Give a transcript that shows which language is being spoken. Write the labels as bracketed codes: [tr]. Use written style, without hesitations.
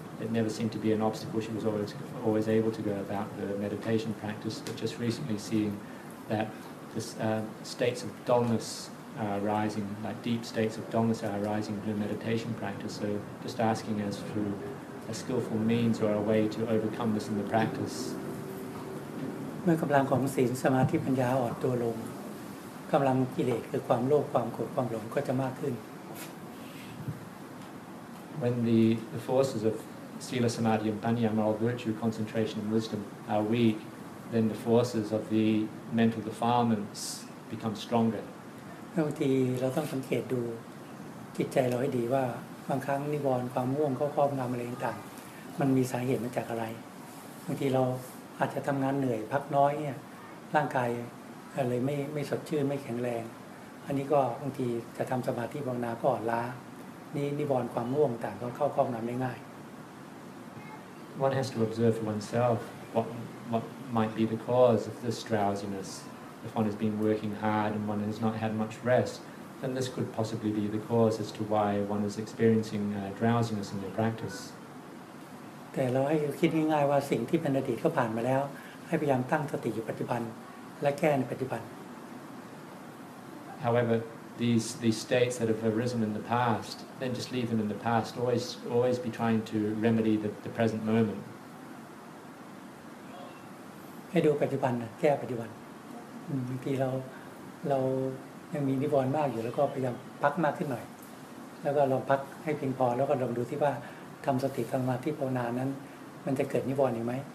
[en] it never seemed to be an obstacle. She was always able to go about the meditation practice, but just recently seeing that the states of dullness are arising, like deep states of dullness are arising in her meditation practice. So just asking as to a skillful means or a way to overcome this in the practice. [th] เมื่อกำลังของศีลสมาธิปัญญาอ่อนตัวลงกำลังกิเลสคือความโลภความโกรธความหลงก็จะมากขึ้น [en] When the forces of sila samadhi and panya, moral virtue, concentration and wisdom are weak, then the forces of the mental defilements become stronger. [th] บางทีเราต้องสังเกตดูจิตใจเราให้ดีว่าบางครั้งนิวรณ์ความง่วงก็ครอบงำอะไรต่างมันมีสาเหตุมาจากอะไรบางทีเราอาจจะทำงานเหนื่อยพักน้อยเนี่ยร่างกายเลยไม่สดชื่นไม่แข็งแรงอันนี้ก็บางทีจะทำสมาธิภาวนาก็อ่อนล้านี่นิวรณ์ความง่วงต่างก็เข้าครอบงำได้ง่าย [en] One has to observe for oneself what might be the cause of this drowsiness. If one has been working hard and one has not had much rest, then this could possibly be the cause as to why one is experiencing drowsiness in their practice. [th] แต่เราให้คิดง่ายๆว่าสิ่งที่เป็นอดีตก็ผ่านมาแล้วให้พยายามตั้งสติอยู่ปัจจุบันและแก้ในปัจจุบัน [en] However, these states that have arisen in the past. Then just leave them in the past. Always be trying to remedy the present moment. [th] ให้ดูปัจจุบันนะแก้ปัจจุบันบางทีเรายังมีนิวรณ์มากอยู่แล้วก็พยายามพักมากขึ้นหน่อยแล้วก็ลองพักให้เพียงพอแล้วก็ลองดูที่ว่าทำสติสมาธิภาวนานั้นมันจะเกิดนิวรณ์อีกไหม